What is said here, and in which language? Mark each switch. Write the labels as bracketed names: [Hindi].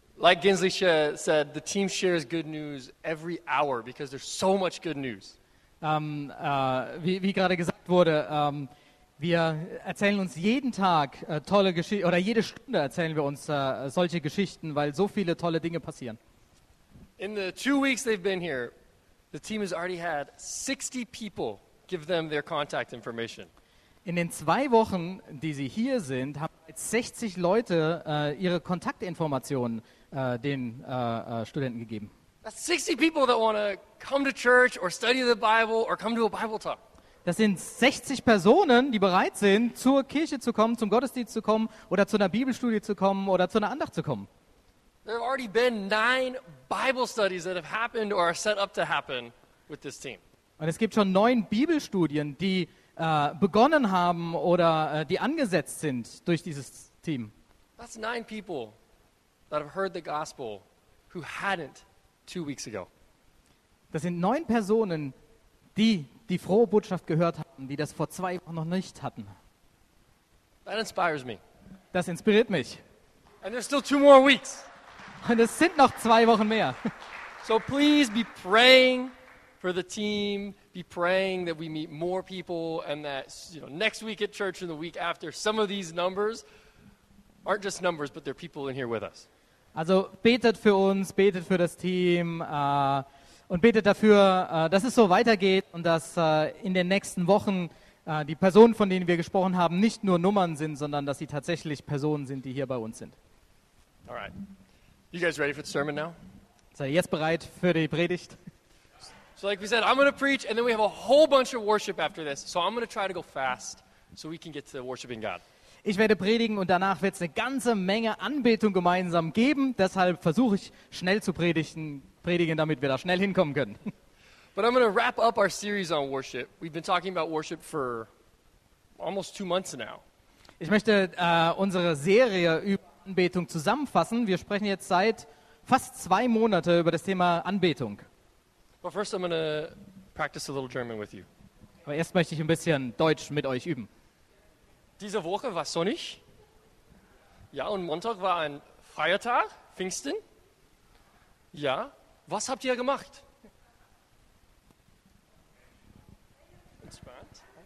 [English] Like Gensley said, the team shares good news every hour because there's so much good news. [German] Wie gerade gesagt wurde, wir erzählen uns jeden Tag tolle Geschichten, oder jede Stunde erzählen wir uns solche Geschichten, weil so viele tolle Dinge passieren. [English] In the 2 weeks they've been here, the team has already had 60 people give them their contact information. [German] In den 2 Wochen, die sie hier sind, haben jetzt 60 Leute ihre Kontaktinformationen den Studenten gegeben. [English] That's 60 people that want to come to church or study the Bible or come to a Bible talk. [German] Das sind 60 Personen, die bereit sind, zur Kirche zu kommen, zum Gottesdienst zu kommen oder zu einer Bibelstudie zu kommen oder zu einer Andacht zu kommen. [English] There have already been 9 Bible studies that have happened or are set up to happen with this team. [German] Und es gibt schon 9 Bibelstudien, die begonnen haben oder die angesetzt sind durch dieses Team. [English] That's 9 people that have heard the gospel who hadn't 2 weeks ago. [German] Das sind 9 Personen, die die frohe Botschaft gehört haben, die das vor 2 Wochen noch nicht hatten. [English] That inspires me. [German] Das inspiriert mich. [English] And there's still 2 more weeks. [German] Und es sind noch 2 Wochen mehr. [English] So please be praying for the team, be praying that we meet more people and that, you know, next week at church and the week after, some of these numbers aren't just numbers, but they're people in here with us. [German] Also betet für uns, betet für das Team und betet dafür, dass es so weitergeht und dass in den nächsten Wochen die Personen, von denen wir gesprochen haben, nicht nur Nummern sind, sondern dass sie tatsächlich Personen sind, die hier bei uns sind. [English] All right. You guys ready for the sermon now? [German] Seid ihr jetzt bereit für die Predigt? [English] So like we said, I'm going to preach and then we have a whole bunch of worship after this. So I'm going to try to go fast so we can get to worshiping God. [German] Ich werde predigen und danach wird es eine ganze Menge Anbetung gemeinsam geben. Deshalb versuche ich schnell zu predigen, damit wir da schnell hinkommen können. [English] But I'm going to wrap up our series on worship. We've been talking about worship for almost 2 months now. [German] Ich möchte unsere Serie über Anbetung zusammenfassen. Wir sprechen jetzt seit fast 2 Monaten über das Thema Anbetung. [English] But first I'm going to practice a little German with you. [German] Aber erst möchte ich ein bisschen Deutsch mit euch üben. Diese Woche war sonnig. Ja, und Montag war ein Feiertag, Pfingsten. Ja, was habt ihr gemacht? Entspannt.